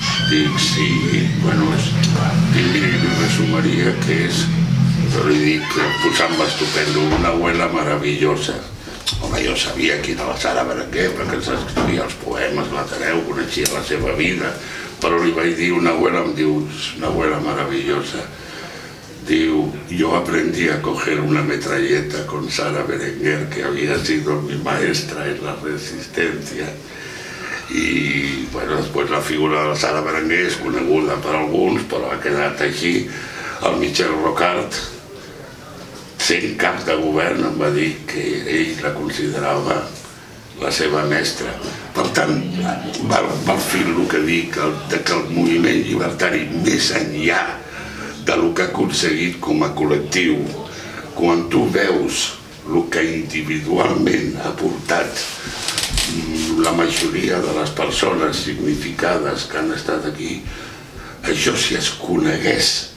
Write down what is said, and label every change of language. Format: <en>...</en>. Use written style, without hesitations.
<ca>Dic, sí, bueno, és... I li resumiria que és, però li dic, posant-me estupendo,</ca> <es>una abuela maravillosa.</es> <ca>Home, jo sabia qui era la Sara Berenguer, perquè ens escrivia els poemes, l'Ateneu, coneixia la seva vida, però li vaig dir</ca> <es>una abuela,</es> <ca>em diu,</ca> <es>una abuela maravillosa.</es> <ca>Diu, jo</ca> <es>aprendí a coger una metralleta con Sara Berenguer, que havia sido mi maestra en la resistencia.</es> <ca>I, bueno, després la figura de la Sara Berenguer és coneguda per alguns, però ha quedat així. El Michel Rocard, sent cap de govern, em va dir que ell la considerava la seva mestra. Per tant, va fer el que dic, que el moviment llibertari, més enllà del que ha aconseguit com a col·lectiu, quan tu veus el que individualment ha portat la majoria de les persones significades que han estat aquí, això si es conegués,</ca>